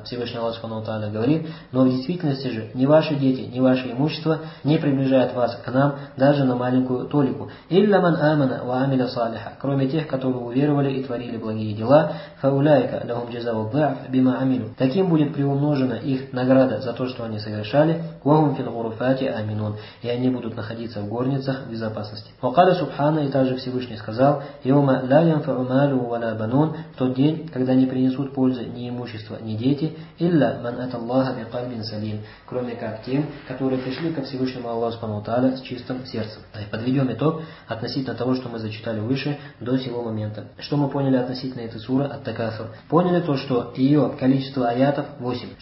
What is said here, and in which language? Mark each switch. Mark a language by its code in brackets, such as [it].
[ru] Всевышний Аллах Субхану ва Тааля говорит: «Но в действительности же ни ваши дети, ни ваше имущество не приближают вас к нам даже на маленькую толику. [ar] Илля ман амана ва амиля салиха». [ru] Кроме тех, которые уверовали и творили благие дела. [ar] «Фауляйка лахум джазау дзаъф بما عملوا. [ru] Таким будет приумножена их награда за то, что они совершали. [ar] وهم في الغرفات آمنون. [ru] И они будут находиться в горницах в безопасности. [ar] وقال سبحانه, [ru] и также Всевышний сказал, [ar] يوم لا ينفع مال ولا بنون. [ru] В тот день, когда не принесут пользы ни имущество, ни дети, [ar] إلا من أتى الله بقلب سليم. [ru] Кроме как тем, которые пришли ко Всевышнему Аллаху Субхану ва Тааля с чистым сердцем. И подведем итог относительно того, что мы зачитали выше до сего момента. Что мы поняли относительно этой суры от Такасур? Поняли то, что ее количество аятов 8.